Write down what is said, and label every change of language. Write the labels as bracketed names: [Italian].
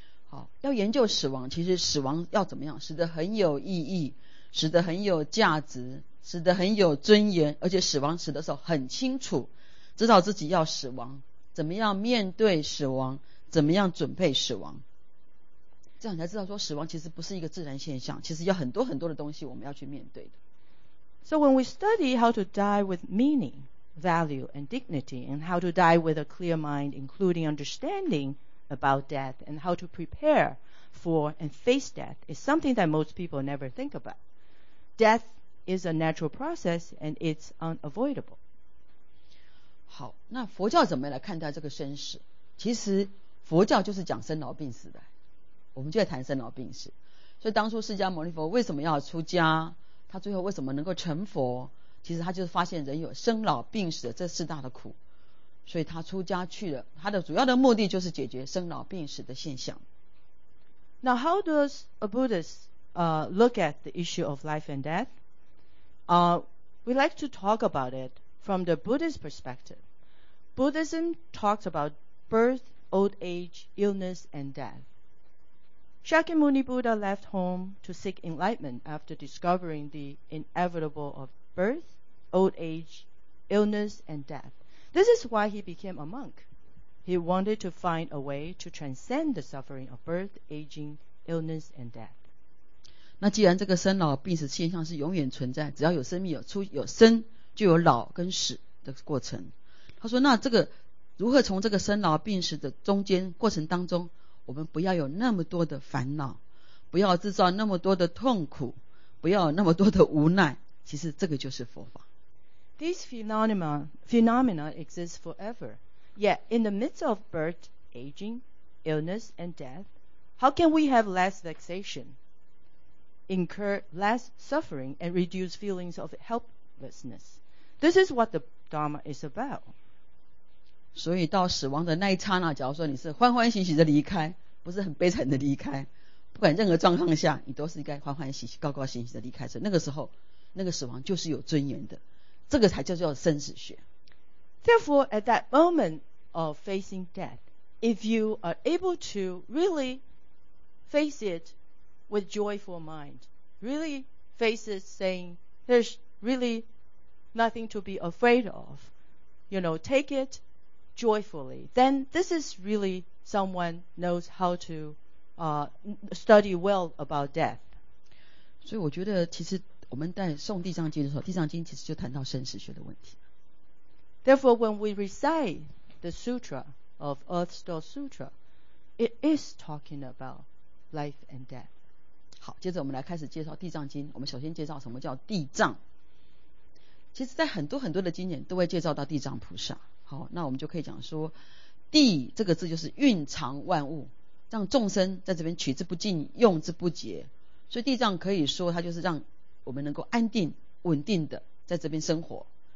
[Chinese] 好，要研究死亡，其实死亡要怎么样，使得很有意义，使得很有价值，使得很有尊严，而且死亡死的时候很清楚，知道自己要死亡。怎么样面对死亡，怎么样准备死亡，这样才知道说死亡其实不是一个自然现象，其实要很多很多的东西我们要去面对的。 [English] So when we study how to die with meaning, value and dignity, and how to die with a clear mind including understanding about death and how to prepare for and face death is something that most people never think about. Death is a natural process and it's unavoidable. [Chinese] 好，那佛教怎么来看待这个生死？其实佛教就是讲生老病死的，我们就在谈生老病死。所以当初释迦牟尼佛为什么要出家，他最后为什么能够成佛，其实他就是发现人有生老病死的这四大的苦，所以他出家去了，他的主要的目的就是解决生老病死的现象。 [English] Now how does a Buddhist look at the issue of life and death? We like to talk about itFrom the Buddhist perspective, Buddhism talks about birth, old age, illness, and death. Shakyamuni Buddha left home to seek enlightenment after discovering the inevitable of birth, old age, illness, and death. This is why he became a monk. He wanted to find a way to transcend the suffering of birth, aging, illness, and death. [Chinese] 那既然这个生老病死现象是永远存在，只要有生命有出有生就有老跟死的过程。他说那这个如何从这个生老病死的中间过程当中，我们不要有那么多的烦恼，不要制造那么多的痛苦，不要有那么多的无奈，其实这个就是佛法。 [English] These phenomena exist forever, yet in the midst of birth, aging, illness and death, how can we have less vexation, incur less suffering and reduce feelings of helplessness? This is what the Dharma is about. [Chinese] 所以到死亡的那一刹那，假如说你是欢欢喜喜的离开，不是很悲惨的离开，不管任何状况下，你都是应该欢欢喜喜、高高兴兴的离开。所以那个时候，那个死亡就是有尊严的，这个才叫做生死学。 [English] Therefore, at that moment of facing death, if you are able to really face it with joyful mind, really face it saying there's really nothing to be afraid of, you know, take it joyfully, then this is really someone knows how to study well about death. [Chinese] 所以我觉得其实我们在诵地藏经的时候，地藏经其实就谈到生死学的问题。 [English] Therefore, when we recite the sutra of Earth's Door Sutra, it is talking about life and death. [Chinese] 好，接着我们来开始介绍地藏经。我们首先介绍什么叫地藏。其实在很多很多的经典都会介绍到地藏菩萨。好，那我们就可以讲说地这个字就是蕴藏万物，让众生在这边取之不尽用之不竭，所以地藏可以说它就是让我们能够安定稳定的在这边生活。